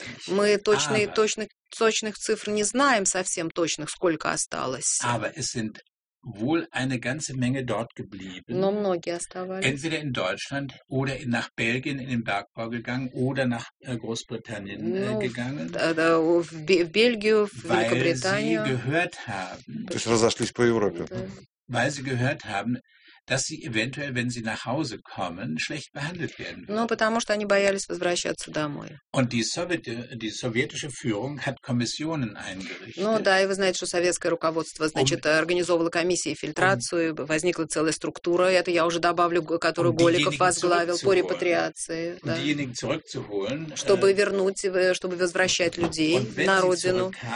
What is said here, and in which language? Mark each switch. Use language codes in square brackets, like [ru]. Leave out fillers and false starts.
[ru] Мы точных цифр не знаем совсем точных, сколько осталось. [de] Wohl eine ganze Menge dort geblieben. [ru] Но многие оставались. [de] Entweder in Deutschland oder nach Belgien in den Bergbau gegangen oder nach Großbritannien gegangen. [ru] В Бельгию, в Великобританию. [de] Weil sie gehört haben. [ru] То есть разошлись по Европе. [de] Weil sie gehört haben, dass sie eventuell, wenn sie nach Hause kommen, schlecht behandelt werden. [ru] Ну, потому что они боялись возвращаться домой. [de] Und die sowjetische Führung hat Kommissionen eingerichtet. [ru] Ну, да, и вы знаете, что советское руководство, значит, организовало комиссии фильтрацию, возникла целая структура, это я уже добавлю, которую Голиков возглавил по репатриации. [de] Да. Diejenigen zurückzuholen, [ru] чтобы возвращать людей на родину.